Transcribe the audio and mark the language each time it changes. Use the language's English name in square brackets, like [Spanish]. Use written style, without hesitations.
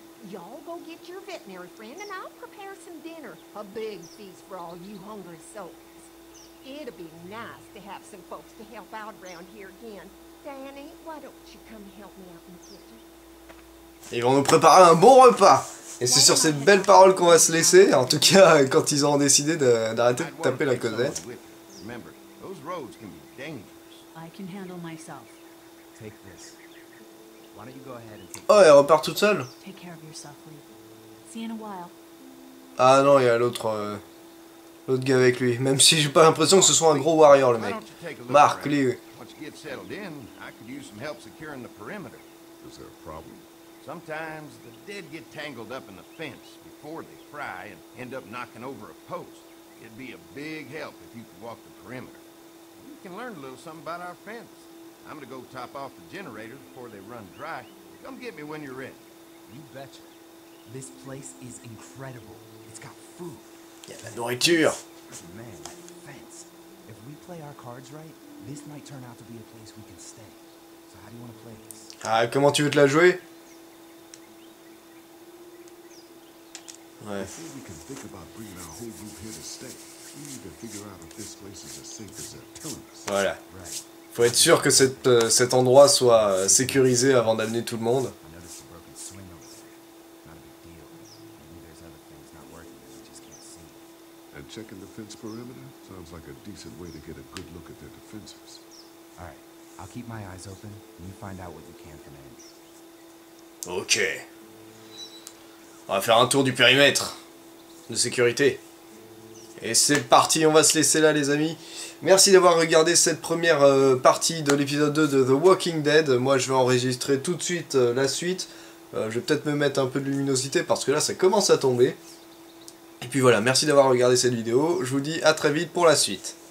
[English] Y'all go get your veterinary friend and I'll prepare some dinner. A big feast for all you hungry souls. It'd be nice to have some folks to help out around here again. Danny, why don't you come help me out in the kitchen? [French] Ils vont nous préparer un bon repas. Et c'est sur cette belle parole qu'on va se laisser. En tout cas, quand ils ont décidé d'arrêter de taper la causette. [English] Remember, those roads can be dangerous. I can handle myself. Take this. Why don't you go ahead and take... [French] Oh, elle repart toute seule. [English] Take care of yourself, Lee. See you in a while. [French] Ah non, il y a l'autre l'autre gars avec lui. Même si j'ai pas l'impression que ce soit un gros warrior, le mec. [English] Mark, Lee. Once you get settled in, I could use some help securing the perimeter. Is there a problem? Sometimes the dead get tangled up in the fence before they fry and end up knocking over a post. It'd be a big help if you could walk the perimeter. You can learn a little something about our fence. I'm gonna go top off the generators before they run dry. Come get me when you're ready. You betcha. This place is incredible. It's got food. Yeah, [French] la nourriture. [English] Man, that fence. If we play our cards right, this might turn out to be a place we can stay. So how do you want to play this? [French] Ah, comment tu veux te la jouer? [English] Ouais. Before we can think about bringing our whole group here to stay, we need to figure out if this place is as safe as they're telling us. Voilà. Right. [French] Faut être sûr que cet endroit soit sécurisé avant d'amener tout le monde. [English] And checking the fence perimeter sounds like a decent way to get a good look at their defenses. All right, I'll keep my eyes open and you find out what you can from Andy. OK. [French] On va faire un tour du périmètre de sécurité. Et c'est parti, on va se laisser là les amis. Merci d'avoir regardé cette première partie de l'épisode 2 de The Walking Dead. Moi je vais enregistrer tout de suite la suite. Je vais peut-être me mettre un peu de luminosité parce que là ça commence à tomber. Et puis voilà, merci d'avoir regardé cette vidéo. Je vous dis à très vite pour la suite.